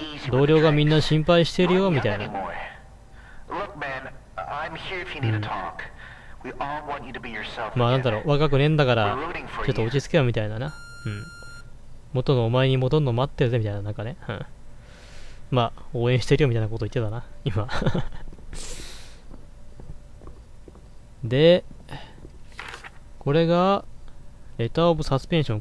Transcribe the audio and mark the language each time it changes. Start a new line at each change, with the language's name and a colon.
Japanese: 同僚がみんな心配してるよみたいな。
English: Look, man, I'm here if you need to talk. We all want you to be yourself.
Japanese: まあなんだろう、若くねえんだからちょっと落ち着けよみたいなな。元のお前に戻るの待ってるぜみたいな、なんかね。まあ応援してるよみたいなこと言ってたな今で、これがレターオブサスペンション。